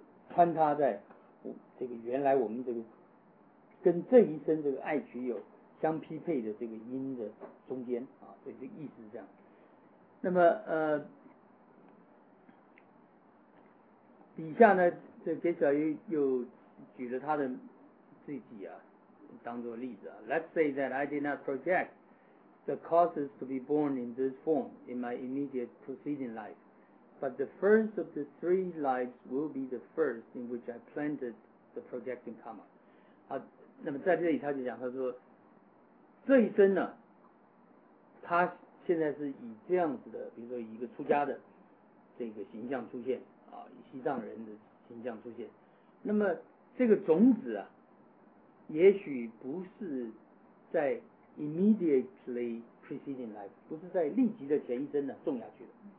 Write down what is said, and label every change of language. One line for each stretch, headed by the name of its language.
Chinese: 穿插在这个原来我们这个跟这一生这个爱取有相匹配的这个因的中间啊，所以这个意思是这样。那么底下呢，这给小鱼又举了他的自己啊当做例子啊。
English: Let's say that I did not project the causes to be born in this form in my immediate preceding life. But the first of the three lives will be the first in which I planted the projecting karma.
Chinese: 好，那么在这里他就讲，他说这一生呢，他现在是以这样子的，比如说以一个出家的这个形象出现啊，以西藏人的形象出现。那么这个种子啊，也许不是在
English: immediately preceding life，
Chinese: 不是在立即的前一生呢种下去的。